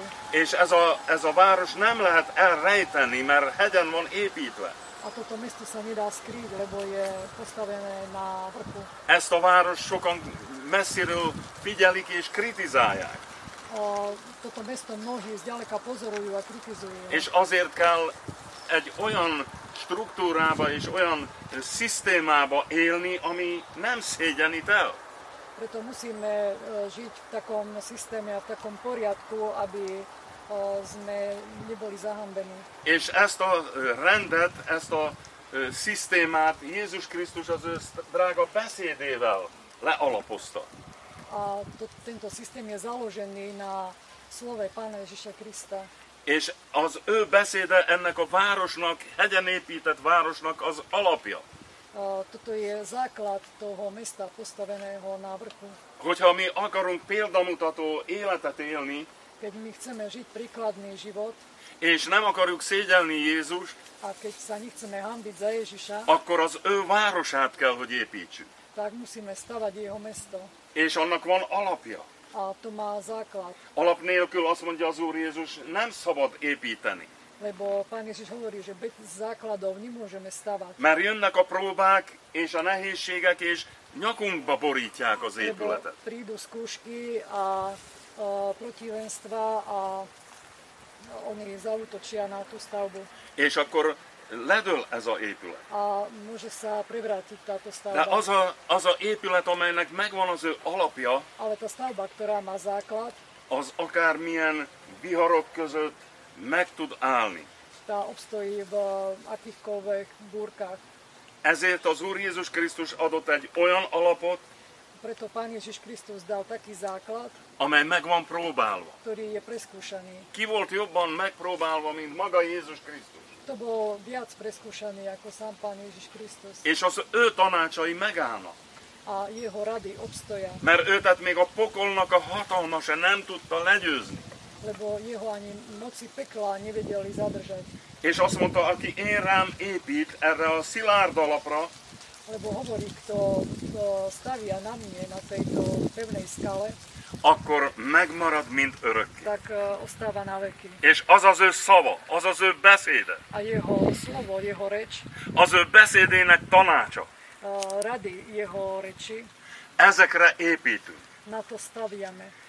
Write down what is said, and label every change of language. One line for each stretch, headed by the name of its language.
Hungarian: És ez a város nem lehet elrejteni, mert hegyen van építve.
Slovak: A toto mesto sa nedá skrýť, lebo je postavené na vrchu.
Hungarian: Ezt a város sokan messziről figyelik és kritizálják.
Slovak: Toto mesto mnohí zďaleka pozorujú a kritizujú.
Hungarian: És azért kell egy olyan struktúrába és olyan systémába élni, ami nem szégyenít el.
Slovak: Preto musíme žiť v takom systéme a v takom poriadku, aby sme neboli zahambení.
Hungarian: És ezt a rendet, ezt a systémát Jézus Krisztus az ő drága beszédével lealapozta.
Slovak: A tento systém je založený na slove Pána Ježiša Krista.
Hungarian: És az ő beszéde ennek a városnak, hegyen épített városnak az alapja.
Slovak: Toto je základ toho mesta postaveného na vrchu.
Hungarian: Hogyha mi akarunk példamutató életet élni,
Slovak: keď my chceme žiť príkladný život,
Hungarian: és nem akarjuk szégyelni Jézust,
Slovak: a keď sa nechceme hanbiť za Ježiša,
Hungarian: akkor az ő városát kell, hogy építsük.
Slovak: Tak musíme stavať jeho mesto.
Hungarian: És annak van alapja.
Slovak: A to má základ.
Hungarian: Alap nélkül, azt mondja az Úr Jézus, nem szabad építeni.
Slovak: Lebo Pán Ježiš hovorí, že bez základov nemôžeme stavať.
Hungarian: Mert jönnek a próbák és a nehézségek, és nyakunkba borítják az épületet.
Slovak: Lebo prídu skúšky a protivenstva a oni zautočia na tú stavbu.
Hungarian: És akkor ledől ez a épület.
Slovak: A môže sa prevrátiť táto stavba.
Hungarian: De az a épület, amelynek megvan az ő alapja,
Slovak: ale tá stavba, ktorá má základ,
Hungarian: az akármilyen viharok között meg tud állni.
Slovak: Tá obstojí v akýchkoľvek búrkách.
Hungarian: Ezért az Úr Jézus Krisztus adott egy olyan alapot,
Slovak: preto Pán Ježiš Krisztus dal taký základ,
Hungarian: amely megvan próbálva,
Slovak: ktorý je preskúšaný.
Hungarian: Ki volt jobban megpróbálva, mint maga Jézus Krisztus?
Slovak: To bol viac preskúšaný, ako sám Pán Ježiš Krisztus.
Hungarian: És az ő tanácsai megállnak.
Slovak: A jeho rady obstoja.
Hungarian: Mert őt még a pokolnak a hatalma se nem tudta legyőzni.
Slovak: Lebo jeho ani moci pekla nevedeli zadržať.
Hungarian: És azt mondta, aki én rám épít erre a szilárd alapra,
Slovak: lebo hovorí, kto stavia na mne, na tejto pevnej skale,
Hungarian: akkor megmarad mind örökké.
Slovak: Tak ostáva na veky.
Hungarian: És az az ő szava, az az ő beszéde.
Slovak: A jeho slovo, jeho reč.
Hungarian: Az ő beszédének tanácsa.
Slovak: Rady jeho reči.
Hungarian: Ezekre építünk.
Slovak: Na to staviame.